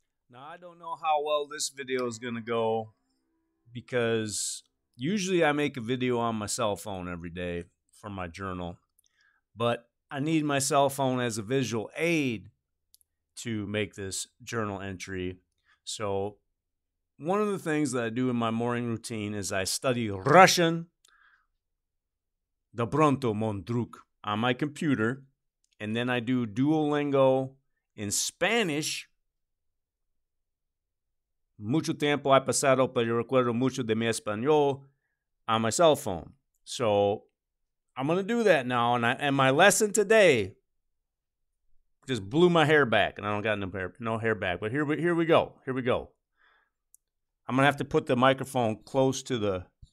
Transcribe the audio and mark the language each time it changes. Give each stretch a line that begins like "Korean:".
English: Now, I don't know how well this video is going to go, because usually I make a video on my cell phone every day for my journal, but I need my cell phone as a visual aid to make this journal entry. So one of the things that I do in my morning routine is I study Russian, Dobronto Mondruk, on my computer, and then I do Duolingo in Spanish.
Spanish: Mucho tiempo ha pasado, pero recuerdo mucho de mi español
English: on my cell phone. So I'm going to do that now. And my lesson today just blew my hair back. And I don't got no hair back. But here we go. Here we go. I'm going to have to put the microphone close to the...